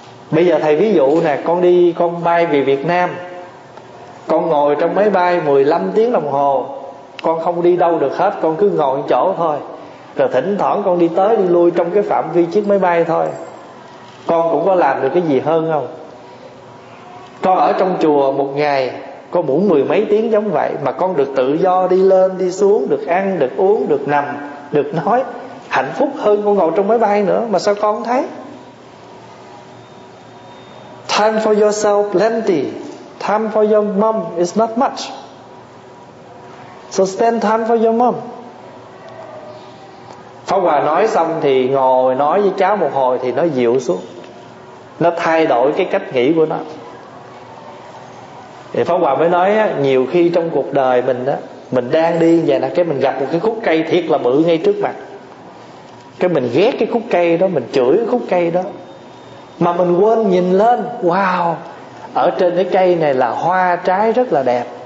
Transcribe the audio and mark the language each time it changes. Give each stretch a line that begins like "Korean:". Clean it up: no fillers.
Vietnamese: Bây giờ thầy ví dụ nè, con đi con bay về Việt Nam, con ngồi trong máy bay 15 tiếng đồng hồ, con không đi đâu được hết, con cứ ngồi chỗ thôi, rồi thỉnh thoảng con đi tới đi lui trong cái phạm vi chiếc máy bay thôi, con cũng có làm được cái gì hơn không? Con ở trong chùa một ngày con muốn mười mấy tiếng giống vậy, mà con được tự do đi lên đi xuống, được ăn được uống được nằm được nói, hạnh phúc hơn con ngồi trong máy bay nữa, mà sao con không thấy?
English: Time for yourself plenty, time for your mom is not much, so spend time for your mom.
Vietnamese: Pháp Hòa nói xong thì ngồi nói với cháu một hồi thì nó dịu xuống, nó thay đổi cái cách nghĩ của nó. Thì Pháp Hòa mới nói á, nhiều khi trong cuộc đời mình á, mình đang đi vậy nè, cái mình gặp một cái khúc cây thiệt là bự ngay trước mặt, cái mình ghét cái khúc cây đó, mình chửi cái khúc cây đó, mà mình quên nhìn lên, wow, ở trên cái cây này là hoa trái rất là đẹp.